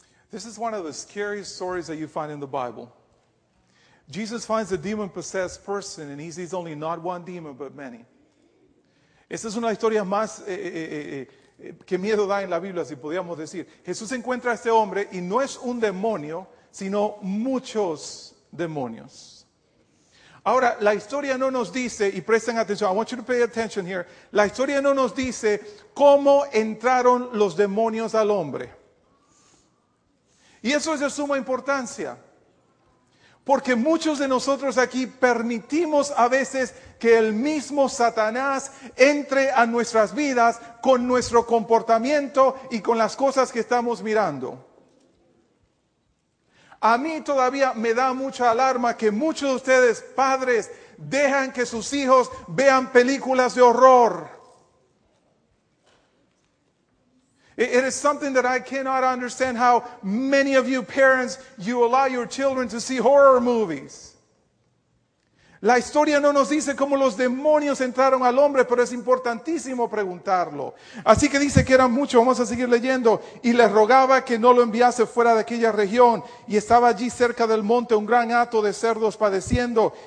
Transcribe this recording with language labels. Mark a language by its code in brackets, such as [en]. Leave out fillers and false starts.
[en] This is one of the scariest stories that you find in the Bible. Jesus finds a demon-possessed person and he sees only not one demon, but many. [es] Esta es una historia más que miedo da en la Biblia, si podríamos decir. Jesús encuentra a este hombre y no es un demonio, sino muchos demonios. Ahora, la historia no nos dice, y presten atención, [en] I want you to pay attention here, [es] la historia no nos dice cómo entraron los demonios al hombre. Y eso es de suma importancia. Porque muchos de nosotros aquí permitimos a veces que el mismo Satanás entre a nuestras vidas con nuestro comportamiento y con las cosas que estamos mirando. A mí todavía me da mucha alarma que muchos de ustedes, padres, dejan que sus hijos vean películas de horror. [en] It is something that I cannot understand how many of you parents, you allow your children to see horror movies. [es] La historia no nos dice cómo los demonios entraron al hombre, pero es importantísimo preguntarlo. Así que dice que eran muchos, vamos a seguir leyendo. Y le rogaba que no lo enviase fuera de aquella región. Y estaba allí cerca del monte un gran hato de cerdos padeciendo.